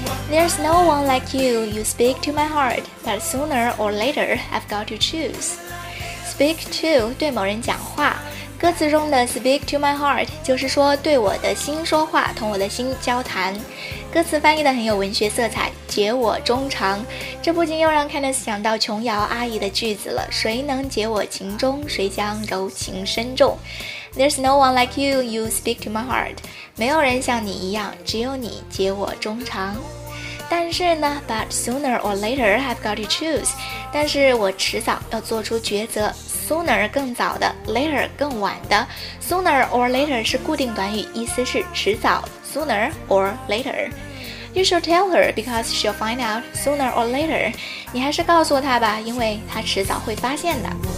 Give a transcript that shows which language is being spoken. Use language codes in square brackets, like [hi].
[en] There's no one like you, you speak to my heart, but sooner or later, I've got to choose. [zh] Speak to, 对某人讲话。歌词中的 [en] speak to my heart, [zh] 就是说对我的心说话，同我的心交谈。歌词翻译的很有文学色彩，解我衷肠。这不禁又让 Kenneth 想到琼瑶阿姨的句子了，谁能解我情衷，谁将柔情深重。 [en] There's no one like you, you speak to my heart. [zh] 没有人像你一样，只有你解我衷肠。但是呢 [en] but sooner or later I've got to choose， [zh] 但是我迟早要做出抉择。 sooner 更早的， later 更晚的。 sooner or later 是固定短语，意思是迟早， sooner or later。 [en] You should tell her because she'll find out sooner or later. [zh] 你还是告诉她吧，因为她迟早会发现的。